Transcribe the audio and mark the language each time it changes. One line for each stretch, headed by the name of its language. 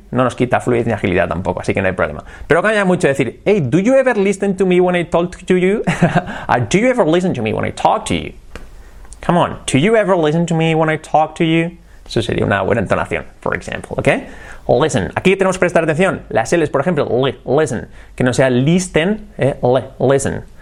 Spanish: No nos quita fluidez ni agilidad tampoco, así que no hay problema. Pero cambia mucho decir,
English: hey, do you ever listen to me when I talk to you? Do you ever listen to me when I talk to you? Come on, do you ever listen to me when I talk to you?
Spanish: Eso sería una buena entonación,
English: for example,
Spanish: ¿ok? Listen, aquí tenemos que prestar atención. Las L's, por ejemplo, listen, que no sea listen, listen.